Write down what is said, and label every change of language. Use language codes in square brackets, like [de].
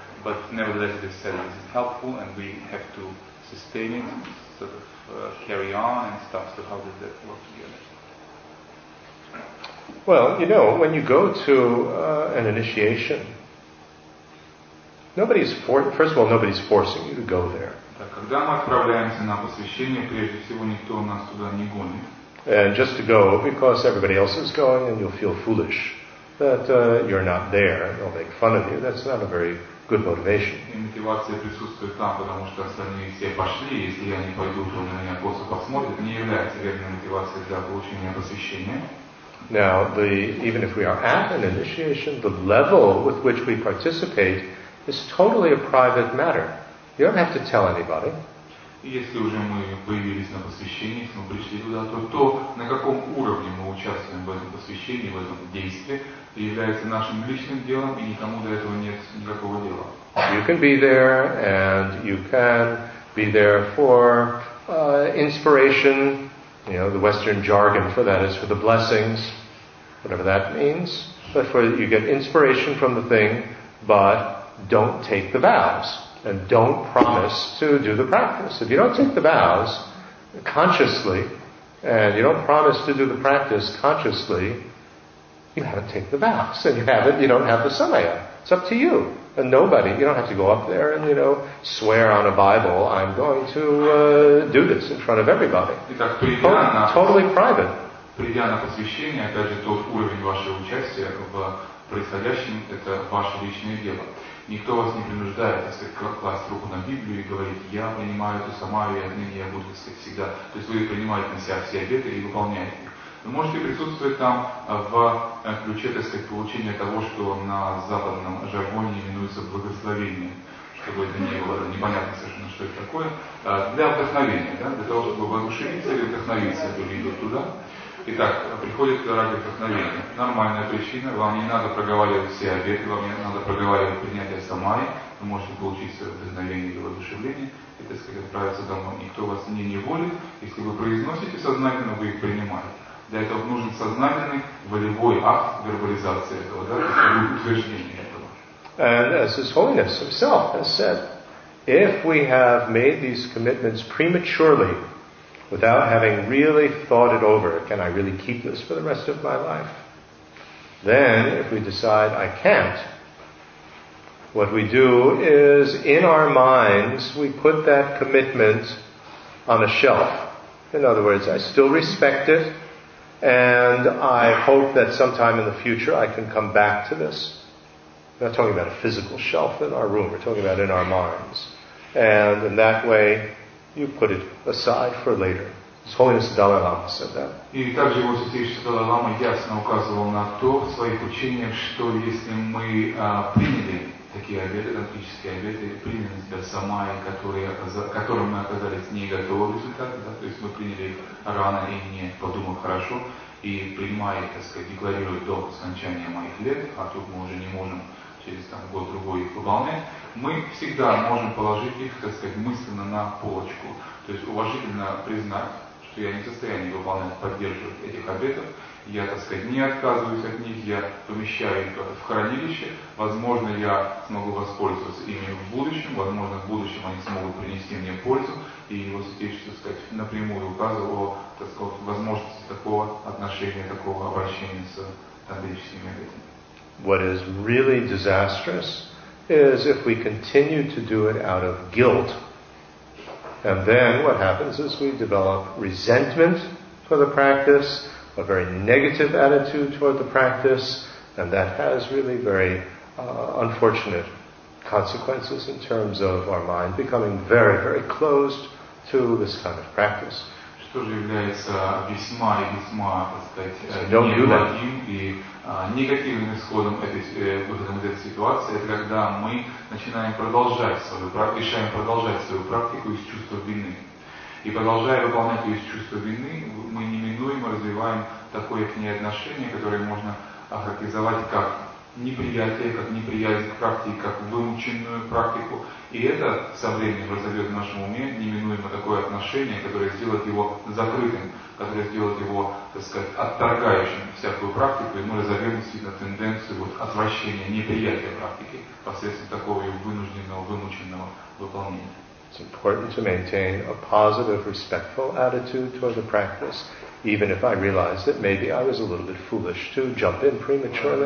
[en] But nevertheless, it is said this is helpful, and we have to sustain it, sort of carry on and stuff. So how does that work together? Well, you know, when you go to an initiation, nobody's forcing you to go there. [ru] Так, когда мы отправляемся на посвящение, прежде всего никто нас туда не гонит. [en] And just to go because everybody else is going, and you'll feel foolish that you're not there, and they'll make fun of you. That's not a very good motivation. [ru] И мотивация присутствует там, потому что остальные все пошли, если я не пойду, то на меня косо посмотрят, не является верной мотивацией для получения посвящения. [en] Now, even if we are at an initiation, the level with which we participate is totally a private matter. You don't have to tell anybody. [ru] Если уже мы появились на посвящении, если мы пришли туда, то на каком уровне мы участвуем в этом посвящении, в этом действии, является нашим личным делом, и никому до этого нет никакого дела. [en] You can be there, and you can be there for inspiration. You know, the Western jargon for that is for the blessings, whatever that means. But for you get inspiration from the thing, but don't take the vows and don't promise to do the practice. If you don't take the vows consciously, and you don't promise to do the practice consciously, you haven't taken the vows, and you don't have the samaya. It's up to you. And nobody, you don't have to go up there and, you know, swear on a Bible, I'm going to do this in front of everybody. Totally private. [ru] Придя на посвящение, опять же, тот уровень вашего участия в происходящем, это ваше личное дело. Никто вас не принуждает, если класть руку на Библию и говорить, я принимаю эту Самарию, отныне я буду искать всегда. То есть вы принимаете на себя все обеты и выполняете их. Вы можете присутствовать там в ключе, так сказать, получения того, что на западном жаргоне именуется благословение, чтобы это не было непонятно совершенно, что это такое, для вдохновения, да, для того, чтобы воодушевиться или вдохновиться, которые идут туда. Итак, приходит ради вдохновения. Нормальная причина, вам не надо проговаривать все обеты, вам не надо проговаривать принятие самай, вы можете получить свое вдохновение или воодушевление, и, так сказать, отправиться домой. Никто вас не неволит, если вы произносите сознательно, вы их принимаете. Для этого нужен сознательный волевой акт вербализации этого, да, утверждение этого. [en] And as His Holiness Himself has said, if we have made these commitments prematurely, without having really thought it over, can I really keep this for the rest of my life? Then, if we decide I can't, what we do is, in our minds, we put that commitment on a shelf. In other words, I still respect it, and I hope that sometime in the future I can come back to this. We're not talking about a physical shelf in our room, we're talking about in our minds. And in that way, you put it aside for later. His Holiness the Dalai Lama said that. [ru] И также Его Святейшество Далай Лама ясно указывал на то в своих учениях, что если мы приняли такие обеты, тантрические обеты, приняли себя самаи, которым мы оказались не готовы результаты, да, то есть мы приняли рано и не подумав хорошо, и принимая, так сказать, декларируя до скончания моих лет, а тут мы уже не можем через там, год-другой их выполнять, мы всегда можем положить их, так сказать, мысленно на полочку. То есть уважительно признать, что я не в состоянии выполнять, поддерживать этих обетов. Я, так сказать, не отказываюсь от них, я помещаю их в хранилище. Возможно, я смогу воспользоваться ими в будущем. Возможно, в будущем они смогут принести мне пользу. И Его Святейшество, так сказать, напрямую указывал, так сказать, возможности такого отношения, такого обращения с тантрическими обетами. [en] What is really disastrous is if we continue to do it out of guilt, and then what happens is we develop resentment for the practice, a very negative attitude toward the practice, and that has really very unfortunate consequences in terms of our mind becoming very, very closed to this kind of practice. [ru] Что же является весьма и весьма, так сказать, неблагим и негативным исходом этой ситуации, это когда мы решаем продолжать свою практику из чувства вины. И продолжая выполнять ее из чувства вины, мы неминуемо развиваем такое к ней отношение, которое можно охарактеризовать как неприятие, как неприязнь к практике, как вымученную практику. И это со временем разовьет в нашем уме неминуемо такое отношение, которое сделает его закрытым, которое сделает его, так сказать, отторгающим всякую практику, и мы разовьем действительно тенденцию вот, отвращения, неприятия практики посредством такого его вынужденного, вымученного выполнения. [en] It's important to maintain a positive, respectful attitude toward the practice, even if I realize that maybe I was a little bit foolish to jump in prematurely.